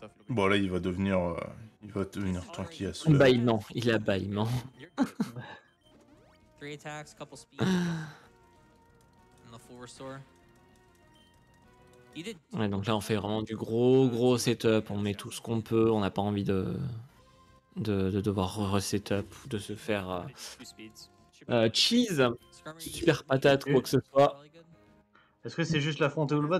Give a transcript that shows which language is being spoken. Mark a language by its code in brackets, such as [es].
[fr] Bon, là, il va devenir tranquille à ce moment. Bâillement, il a bâillement. [en] Three attacks, couple speed, and the full restore. You did. [fr] Ouais, donc là on fait vraiment du gros setup. On met tout ce qu'on peut. On n'a pas envie de devoir resetup ou de se faire cheese, super patate, quoi que ce soit. Est-ce que c'est juste l'affronter ou le bat?